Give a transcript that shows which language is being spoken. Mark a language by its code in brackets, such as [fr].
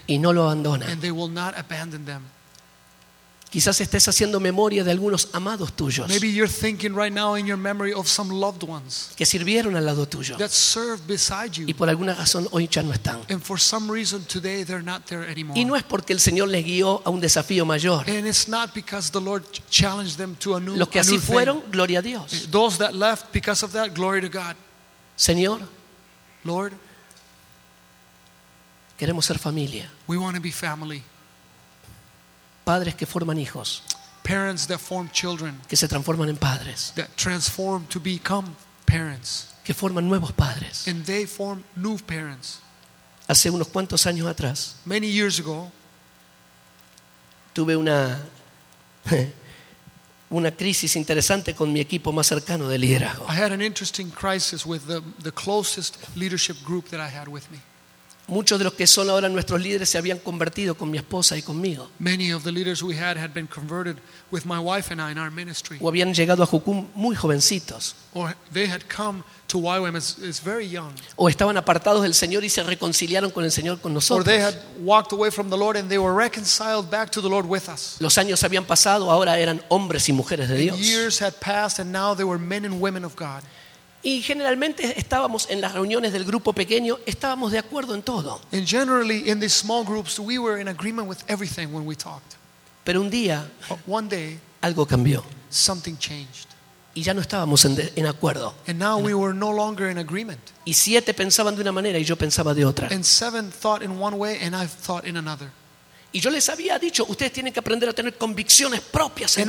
[es] Y no lo abandonan. [en] And they will not abandon them. [es] Quizás estés haciendo memoria de algunos amados tuyos. [en] Maybe you're thinking right now in your memory of some loved ones [es] que sirvieron al lado tuyo. [en] That served beside you. [es] Y por alguna razón hoy ya no están. [en] And for some reason today they're not there anymore. [es] Y no es porque el Señor les guió a un desafío mayor. [en] And it's not because the Lord challenged them to a new thing. [es] Los que así fueron, gloria a Dios. [en] Those that left because of that, glory to God. [es] Señor, [en] Lord, [es] queremos ser familia. [en] We want to be family. [es] Padres que forman hijos. [en] Parents that form children. [es] Que se transforman en padres. [en] That transform to become parents. [es] Que forman nuevos padres. [en] And they form new parents. [es] Hace unos cuantos años atrás. [en] Many years ago. [es] tuve una crisis interesante con mi equipo más cercano de liderazgo. [en] I had an interesting crisis with the closest leadership group that I had with me. [es] Muchos de los que son ahora nuestros líderes se habían convertido con mi esposa y conmigo. [en] Many of the leaders we had had been converted with my wife and I in our ministry. [es] O habían llegado a Jucum muy jovencitos. [en] Or they had come to YWAM as very young. [es] O estaban apartados del Señor y se reconciliaron con el Señor con nosotros. [en] Or they had walked away from the Lord and they were reconciled back to the Lord with us. [es] Los años habían pasado, ahora eran hombres y mujeres de Dios. [en] Years had passed and now they were men and women of God. [es] Y generalmente estábamos en las reuniones del grupo pequeño, estábamos de acuerdo en todo. [en] And generally in these small groups we were in agreement with everything when we talked. [es] Pero un día, [en] one day, [es] algo cambió. [en] Something changed. [es] Y ya no estábamos en acuerdo. [en] And now we were no longer in agreement. [es] Y siete pensaban de una manera y yo pensaba de otra. [en] And seven thought in one way and I thought in another. [es] Y yo les había dicho, ustedes tienen que aprender a tener convicciones propias en